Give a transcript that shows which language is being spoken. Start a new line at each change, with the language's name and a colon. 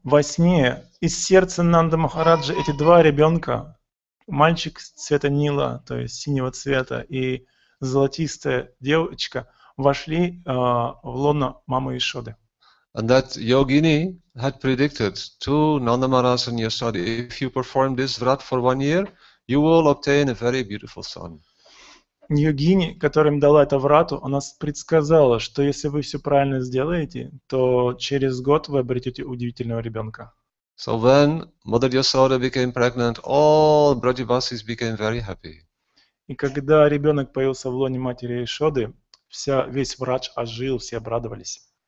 Russian: Во сне из сердца Нанда Махараджи эти два ребенка, мальчик цвета Нила, то есть синего цвета, и золотистая девочка, вошли в лоно мамы Яшоды.
English: And that yogini had predicted to Nanda Maharaj and Yashoda, if you perform this vrat for one year, you will obtain a very beautiful son.
Russian: Йогини, которая им дала это врату, она предсказала, что если вы все правильно сделаете, то через год вы обретете удивительного ребенка.
English: So when Mother Yashoda became pregnant, all Brajavasis became very happy.
Russian: И когда ребенок появился в лоне матери Яшоды, вся весь врач ожил, все обрадовались.